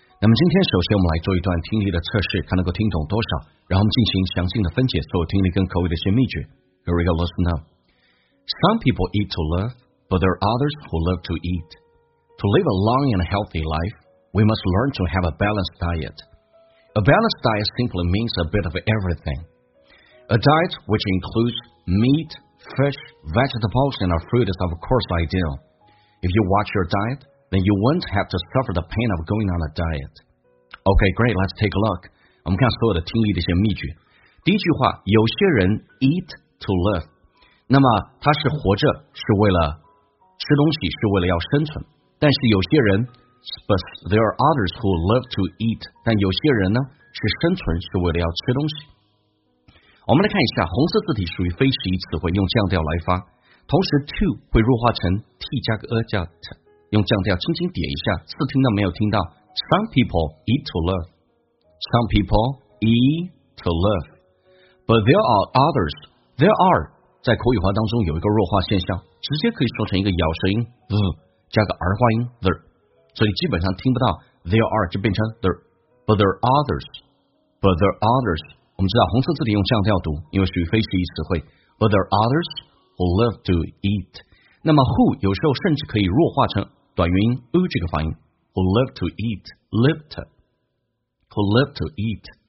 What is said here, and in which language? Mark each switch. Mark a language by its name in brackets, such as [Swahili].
[Chinese] 那么今天首先我们来做一段听力的测试，看能够听懂多少，然后我们进行详细的分解所有听力跟口语的一些秘诀。 [English] Here we go, listen up. Some people eat to live, but there are others who live to eat. To live a long and healthy life, we must learn to have a balanced diet. A balanced diet simply means a bit of everything. A diet which includes meat,Fish, vegetables, and fruit is of course ideal. If you watch your diet, then you won't have to suffer the pain of going on a diet. Okay, great, let's take a look. [Chinese] 我们看所有的听力的一些秘诀。第一句话，有些人 [English] eat to live. [Chinese] 那么他是活着是为了吃东西，是为了要生存。但是有些人 [English] but there are others who live to eat. [Chinese] 但有些人呢是生存是为了要吃东西。我们来看一下，红色字体属于非实义词汇，用降调来发，同时 to 会弱化成 t 加个 a 加 t， 用降调轻轻点一下，似听到没有听到。 [English] Some people eat to live, some people eat to live, but there are others, there are [Chinese] 在口语化当中有一个弱化现象，直接可以说成一个咬舌音 [English] z 加个儿化音 the， [Chinese] 所以基本上听不到 [English] there are [Chinese] 就变成 [English] the， but there are others, but there are others。 [Chinese] 我们知道红色字体用降调读，因为属于非实义词汇。 [English] But there are others who love to eat。 [Chinese] 那么 who 有时候甚至可以弱化成短元音 u 这个发音。 [English] Who love to eat, lived, who love to eat。